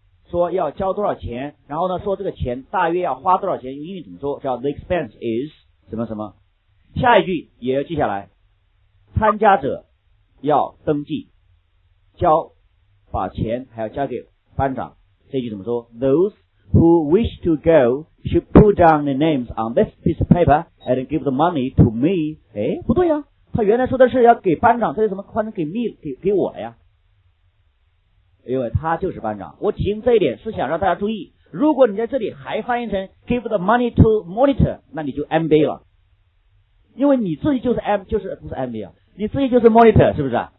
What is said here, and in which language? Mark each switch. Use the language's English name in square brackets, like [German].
[Chinese] 说要交多少钱，然后呢说这个钱大约要花多少钱，英语怎么说？叫 [English] The expense is [Chinese] 什么什么。下一句也要记下来。参加者要登记交，把钱还要交给班长。这句怎么说？ [English] Those who wish to go should put down their names on this piece of paper and give the money to me. [Chinese] 诶，不对呀，他原来说的是要给班长，这是怎么换成给 me 给我了呀？因为他就是班长。我提醒这一点是想让大家注意，如果你在这里还翻译成 [English] give the money to monitor， [Chinese] 那你就 MB 了，因为你自己就是 M， 就是不是 MB 啊，你自己就是 monitor， 是不是？